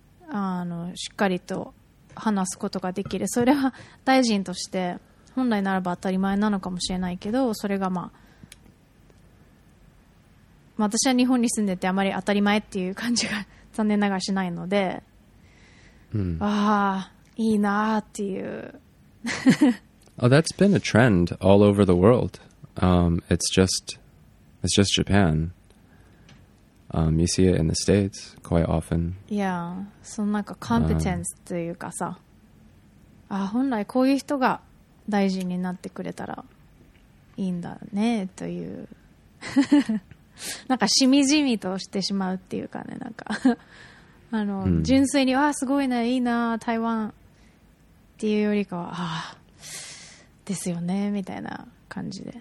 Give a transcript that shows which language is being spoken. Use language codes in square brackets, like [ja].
[ja] あのしっかりと話すことができる、それは大臣として本来ならば当たり前なのかもしれないけど、それが、まあ、まあ私は日本に住んでてあまり当たり前っていう感じが残念ながらしないので、ああいいなっていう。 [en] Oh, that's been a trend all over the world. It's just Japan. You see it in the States quite often. [ja] Yeah, そのなんか competence というかさ、あ本来こういう人が大事になってくれたらいいんだねというなんかしみじみとしてしまうっていうかね、なんかあの、純粋にあすごいねいいな台湾っていうよりかはあですよねみたいな感じで。